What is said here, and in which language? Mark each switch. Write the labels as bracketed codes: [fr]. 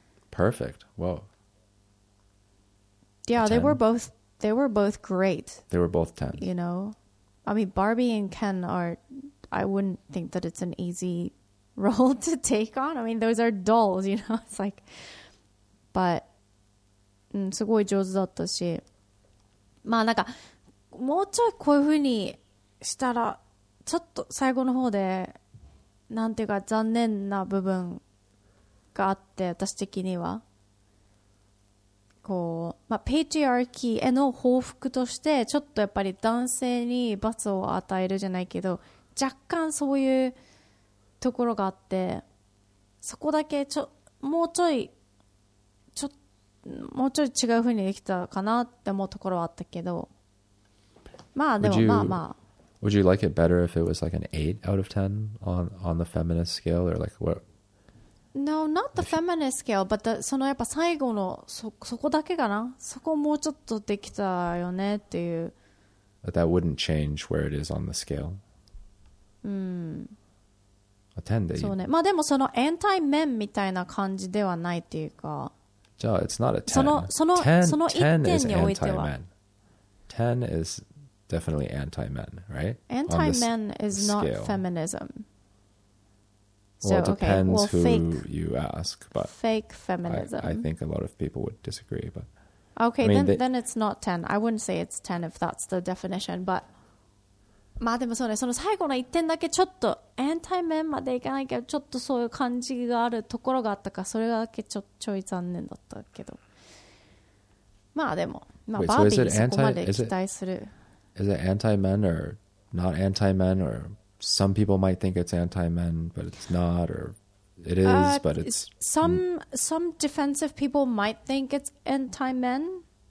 [en] Perfect. Whoa. Yeah, they were both great. They were both 10. You know? I mean, Barbie and Ken are... I wouldn't think that it's an easy role to take on. I mean, those are dolls, you know? It's like... But... [ja] すごい上手だったし、まあなんかもうちょいこういう風にしたらちょっと最後の方でなんていうか残念な部分があって、私的にはこう、まあ、ペイチアーキーへの報復としてちょっとやっぱり男性に罰を与えるじゃないけど、若干そういうところがあって、そこだけもうちょいもうちょっと違う風にできたかなって思うところはあったけど、まあでもまあまあ。 [en] Would you like it better if it was like an 8 out of 10 on the feminist scale or like what? No, not the feminist scale, but the, [ja] そのやっぱ最後のそこだけかな、そこもうちょっとできたよねっていう。 [en] But that wouldn't change where it is on the scale. A 10 [ja] でいい。そうね。まあでもそのエンタイメンみたいな感じではないっていうか。 [en] So it's not a 10. [ja] その [en] 10 is anti-men. 10 is definitely anti-men, right? Anti-men is not feminism. Well, it depends who you ask. But fake feminism. I think a lot of people would disagree. But okay, then it's not 10. I wouldn't say it's 10 if that's the definition. But [ja] まあでもそうね、その最後の1点だけちょっと anti-men までいかないけど、ちょっとそういう感じがあるところがあったか、それだけちょい残念だったけど、まあでも、まあ、バービーそこまで期待する。 [en] is it anti-men or not anti-men, or some people might think it's anti-men but it's not, or it is but it's some defensive people might think it's anti-men.